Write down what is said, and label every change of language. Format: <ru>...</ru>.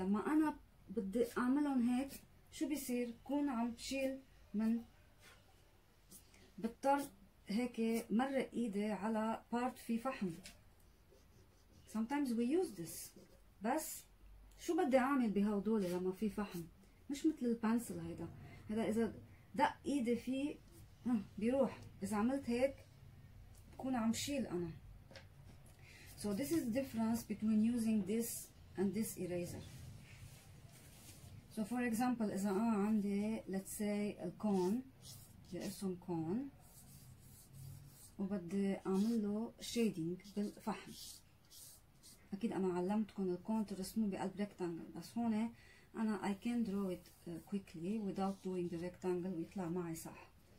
<ar>لما انا بدي اعملهم هيك شو بيصير؟ كون عم تشيل من بضطر هيك مرق ايدي على بارت في فحم.</ar> <en>Sometimes we use this.</en> <ar>بس شو بدي اعمل بهدول لما في فحم؟ مش مثل البنسل هيدا، هيدا اذا دق ايدي فيه بيروح، اذا عملت هيك بكون عم شيل انا.</ar> <en>So this is the difference between using this and this eraser. So for example</en> <ar>اذا انا عندي</ar> <en>let's say a cone،</en> <ar>بدي ارسم كون وبدي اعمل له شيدينج بالفحم. اكيد انا علمتكم الكون ترسموه بقلب ريكتانجل، بس هون انا</ar> <en>I can draw it quickly without doing the rectangle</en> <ar>ويطلع معي صح.</ar>